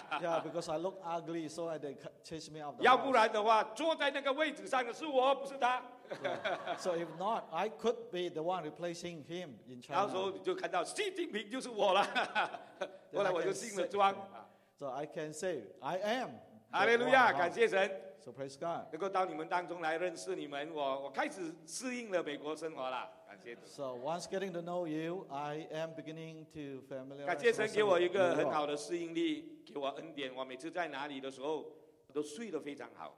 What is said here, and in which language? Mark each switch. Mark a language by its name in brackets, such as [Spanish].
[English] Yeah, because I look ugly, so they chase me out. [Chinese] 要不然的话，坐在那个位置上的是我，不是他。 [English] So if not, I could be the one replacing him in China. [Chinese] 然后就看到习近平就是我了，后来我就信了庄。 [English] So I can say, I am. [Chinese] Hallelujah, 感谢神。 [English] So praise God. [Chinese] 能够到你们当中来认识你们，我开始适应了美国生活了，感谢主。 [English] So once getting to know you, I am beginning to familiarize. [Chinese] 感谢神给我一个很好的适应力，给我恩典，我每次在哪里的时候，都睡得非常好。